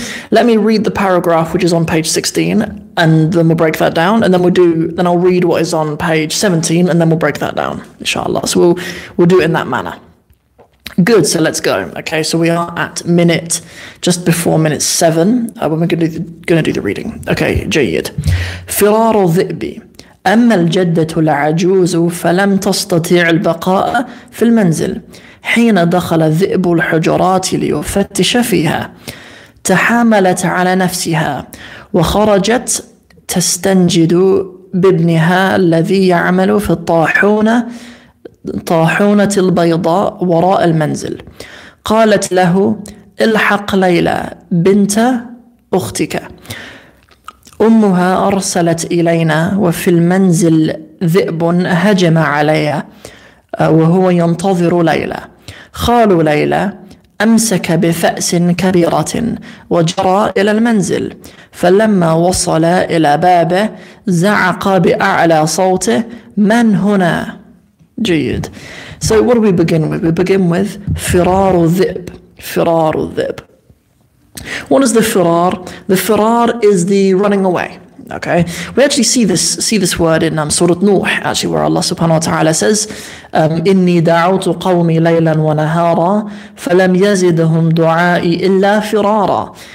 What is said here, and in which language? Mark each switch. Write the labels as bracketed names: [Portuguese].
[English] Let me read the paragraph which is on page 16, and then we'll break that down, and then I'll read what is on page 17, and then we'll break that down, inshallah. So we'll do it in that manner. Good, so let's go. Okay, so we are at minute, just before minute 7, when we're going to do the reading. Okay, jayyid. [Arabic] فرار الذئب أما الجدة العجوز فلم تستطيع البقاء في المنزل حين دخل الذئب الحجرات ليفتش فيها تحاملت على نفسها وخرجت تستنجد بابنها الذي يعمل في الطاحونة طاحونة البيضاء وراء المنزل قالت له الحق ليلى بنت أختك أمها أرسلت إلينا وفي المنزل ذئب هجم علي وهو ينتظر ليلى خال ليلى أمسك بفأس كبيرة وجرى إلى المنزل فلما وصل إلى بابه زعق بأعلى صوته من هنا. [English] Jayyid. So what do we begin with? We begin with firar al-dhib. Firar al-dhib. What is the firar? The firar is the running away. Okay. We actually see this word in Surah Nuh, actually, where Allah subhanahu wa ta'ala says, [Arabic] إِنِّي دَعَوْتُ قَوْمِي لَيْلًا وَنَهَارًا فَلَمْ يَزِدْهُمْ دُعَائِي إِلَّا فِرَارًا.